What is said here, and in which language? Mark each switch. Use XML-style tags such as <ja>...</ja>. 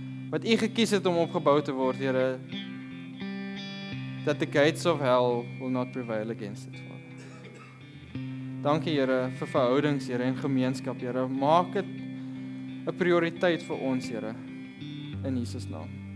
<af>Wat U gekies het om opgebou te word, Here.</af> <en>That the gates of hell will not prevail against it.</en> <af>Dankie Here vir verhoudings, Here, en gemeenskap, Here. Maak dit 'n prioriteit vir ons, Here, in Jesus naam.</af>